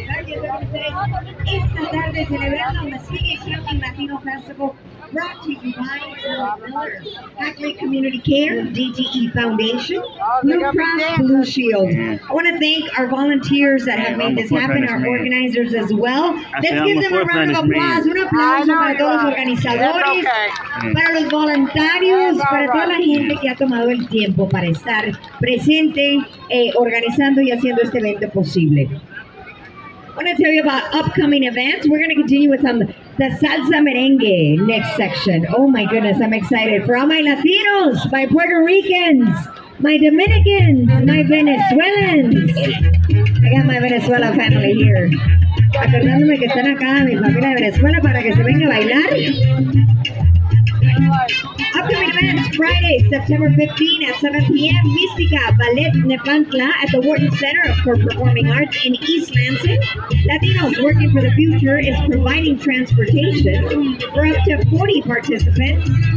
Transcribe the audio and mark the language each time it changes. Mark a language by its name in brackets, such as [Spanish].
[Spanish] Esta tarde celebrando la [English] Spanish Latino Festival, brought to you by Hackley Community Care, DTE Foundation, Blue Cross Blue Shield. I want to thank our volunteers that have made this happen, our organizers as well. Let's give them a round of applause. [Spanish] Un aplauso para todos los organizadores, para los voluntarios, para toda la gente que ha tomado el tiempo para estar presente, organizando y haciendo este evento posible. [English] I want to tell you about upcoming events. We're going to continue with some the salsa merengue next section. Oh my goodness, I'm excited. For all my Latinos, my Puerto Ricans, my Dominicans, my Venezuelans. I got my Venezuela family here. [Spanish] Acordándome que están acá mi familia de Venezuela para que se venga a bailar. [English] Upcoming events, Friday, September 15 at 7 p.m., Mística Ballet Nepantla at the Wharton Center for Performing Arts in East Lansing. Latinos Working for the Future is providing transportation for up to 40 participants.